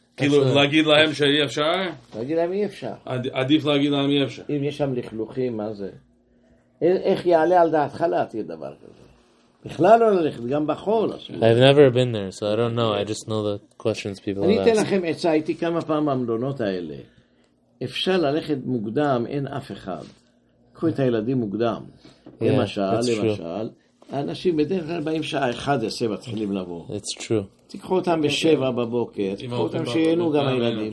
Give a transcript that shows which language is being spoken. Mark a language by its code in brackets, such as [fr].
[he] כאילו, להגיד להם שאי אפשר? להגיד להם אי אפשר. עדיף להגיד להם אי אפשר. אם יש שם לכלוכים, מה זה? איך יעלה על דעתך להתיר דבר כזה? בכלל לא ללכת, גם בחול. [en] I've never been there, so I don't know. I just know the questions people ask. [he] אני אתן לכם עצה, הייתי כמה פעם במלונות האלה. אפשר ללכת מוקדם, אין אף אחד. קחו את הילדים מוקדם. למשל, האנשים בדרך כלל באים שעה 11 מתחילים לבוא. [en] It's true. [he] תקחו אותם בשבע בבוקר, תקחו אותם שיהנו גם הילדים.